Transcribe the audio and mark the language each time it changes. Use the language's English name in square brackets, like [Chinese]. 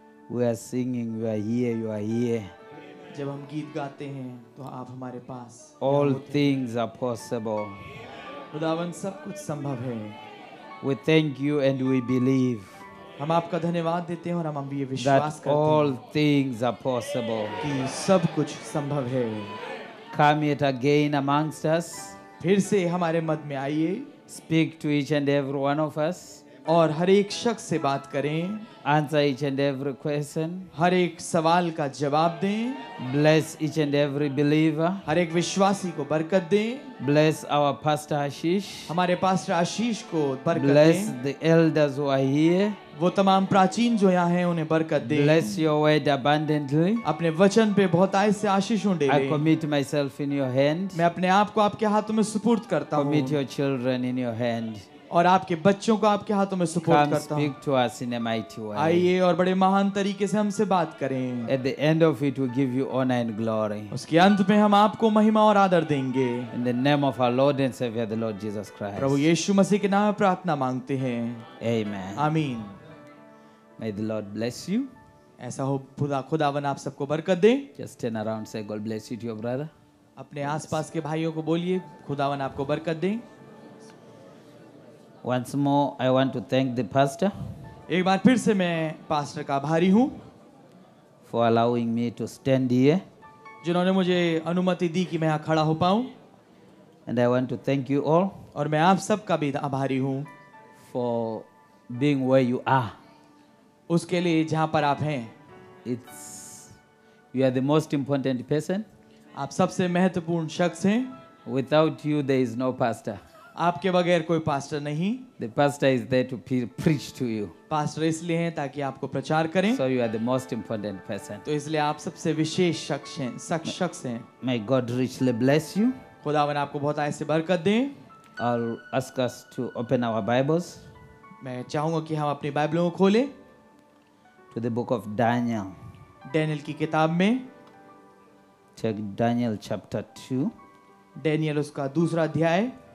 [English] We are singing, we are here, you are here. [Hindi] जब हम गीत गाते हैं, तो आप हमारे पास. [English] All things are possible. [Hindi] खुदावन सब कुछ संभव है. [English] We thank you and we believe. [Hindi] हम आपका धन्यवाद देते हैं और हम भी ये विश्वास करते हैं. [English] That all things are possible. [Hindi] कि सब कुछ संभव है. [English] Come yet again amongst us. [Hindi] फिर से हमारे मध्य में आइए. [English] Speak to each and every one of us. [Hindi] और हर एक शख्स से बात करें. [English] Answer each and every question. [Hindi] हर एक सवाल का जवाब दें. [English] Bless each and every believer. [Hindi] हर एक विश्वासी को बरकत दें. [English] Bless our pastor Ashish. [Hindi] हमारे पास्टर आशीष को बरकत दें. [English] Bless the elders who are here. [Hindi] वो तमाम प्राचीन जो यहाँ हैं उन्हें बरकत दें. [English] Bless your word abundantly. [Hindi] अपने वचन पे बहुत आय से आशीष ढूंढे. [English] I commit myself in your hand. [Hindi] मैं अपने आप को आपके हाथों में सुपुर्द करता हूँ. [English] Commit your children in your hand. [Hindi] और आपके बच्चों को आपके हाथों में सुपोर्ट करता हूं। [English] Speak to us in a mighty way. [Hindi] आइए और बड़े महान तरीके से हमसे बात करें। [English] At the end of it, we give you honor and glory. [Hindi] उसके अंत में हम आपको महिमा और आदर देंगे। [English] In the name of our Lord and Savior, the Lord Jesus Christ. [Hindi] प्रभु यीशु मसीह के नाम में प्रार्थना मांगते हैं। [English] Amen. [Hindi] आमीन। [English] May the Lord bless you. [Hindi] ऐसा हो खुदावन आप सबको बरकत दे। [English] Just turn around, say God bless you to your brother. [Hindi] अपने आस पास के भाइयों को बोलिए खुदावन आपको बरकत दे। [English] Once more, I want to thank the pastor. [Hindi] एक बार फिर से मैं पास्टर का आभारी हूँ. [English] For allowing me to stand here. [Hindi] जिन्होंने मुझे अनुमति दी कि मैं यहाँ खड़ा हो पाऊँ. [English] And I want to thank you all. [Hindi] और मैं आप सब का भी आभारी हूँ. [English] For being where you are. [Hindi] उसके लिए जहाँ पर आप हैं. [English] It's you are the most important person. [Hindi] आप सबसे महत्वपूर्ण शख्स हैं. [English] Without you, there is no pastor. [Hindi] आपके बगैर कोई पास्टर नहीं. [English] The pastor is there to preach to you. [Hindi] Pastor इसलिए हैं ताकि आपको प्रचार करें. [English] So you are the most important person. [Hindi] तो इसलिए आप सबसे विशेष शख्स हैं. [English] May God richly bless you. [Hindi] खुदावन आपको बहुत ऐसे बरकत दें. [English] I'll ask us to open our Bibles. [Hindi] मैं चाहूंगा कि हम अपनी बाइबलों को खोलें. [English] To the book of Daniel. [Hindi] Daniel की किताब में. [English] Check Daniel chapter 2. [Hindi] डैनियल उसका दूसरा अध्याय.